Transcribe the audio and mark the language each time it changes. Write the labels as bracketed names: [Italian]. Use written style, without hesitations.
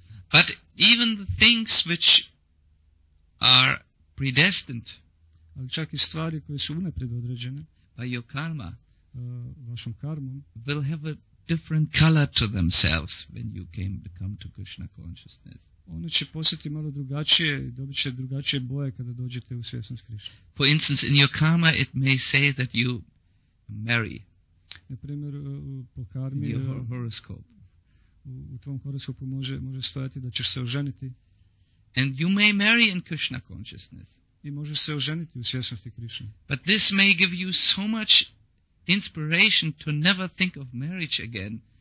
[English] But even the things which are predestined, [Croatian] ali čak i stvari koje su unaprijed određene, [English] by your karma, [Croatian] vašom karmom, [English] will have a different color to themselves when you came to come to Krishna consciousness. [Croatian] One će postati malo drugačije i dobit će drugačije boje kada dođete u svjesnost Krišna. [English] For instance, in your karma it may say that you marry. [Croatian] Naprimjer, po karmi, [English] in your horoscope. [Croatian] U tvom horoskopu može stojati da ćeš se oženiti. [English] And you may marry in Krishna consciousness. [Croatian] I možeš se oženiti u svjesnosti Krišna. [English] But this may give you so much inspiration to never think of marriage again.